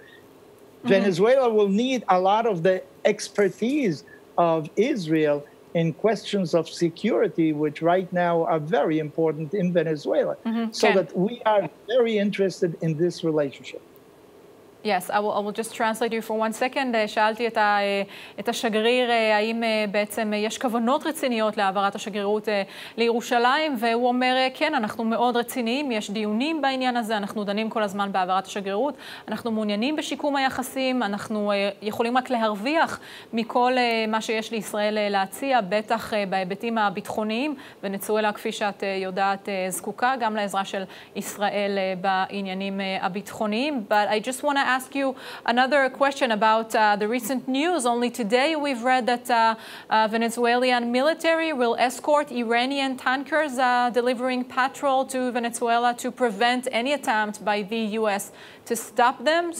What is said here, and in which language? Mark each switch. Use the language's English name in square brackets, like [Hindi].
[English] Mm-hmm. Venezuela will need a lot of the expertise of Israel in questions of security, which right now are very important in Venezuela. Mm-hmm. So okay. that we are very interested in this relationship. Yes, I will just translate you for one second. [Hebrew] שאלתי את השגריר, האם בעצם יש כוונות רציניות להעברת השגרירות לירושלים, והוא אומר, כן, אנחנו מאוד רציניים, יש דיונים בעניין הזה, אנחנו דנים כל הזמן בהעברת השגרירות, אנחנו מעוניינים בשיקום היחסים, אנחנו יכולים רק להרוויח מכל מה שיש לישראל להציע, בטח בהיבטים הביטחוניים, ונצואלה, כפי שאת יודעת, זקוקה גם לעזרה של ישראל בעניינים הביטחוניים. [English] But I just want to ask you another question about the recent news. Only today we've read that Venezuelan military will escort Iranian tankers delivering patrol to Venezuela to prevent any attempt by the U.S. to stop them.